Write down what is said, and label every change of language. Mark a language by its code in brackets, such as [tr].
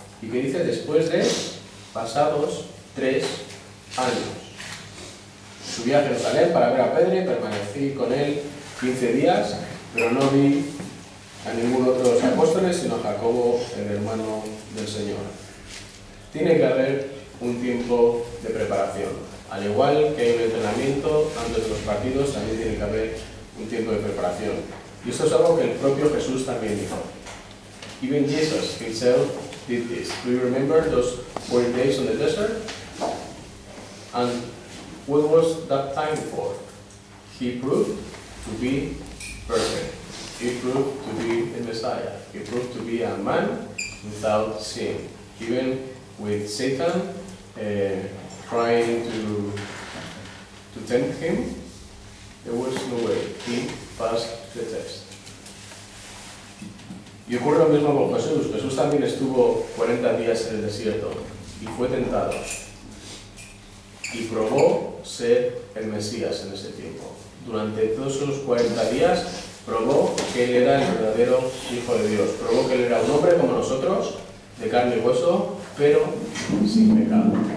[es] Y que dice, después de pasados 3 años, subí a Jerusalén para ver a Pedro y permanecí con él 15 días, pero no vi a ningún otro de los apóstoles, sino a Jacobo, el hermano del Señor. Tiene que haber un tiempo de preparación. Al igual que hay un entrenamiento antes de los partidos, también tiene que haber un tiempo de preparación. Y esto es algo que el propio Jesús también dijo. [en] Even Jesus himself did this. Do you remember those 40 days on the desert? And what was that time for? He proved to be perfect. He proved to be the Messiah. He proved to be a man without sin. Even with Satan trying to tempt him, there was no way. He passed the test. [es] Y ocurre lo mismo con Jesús. Jesús también estuvo 40 días en el desierto. y fue tentado, y probó ser el Mesías en ese tiempo. Durante todos esos 40 días, probó que él era el verdadero Hijo de Dios, probó que él era un hombre como nosotros, de carne y hueso, pero sin pecado.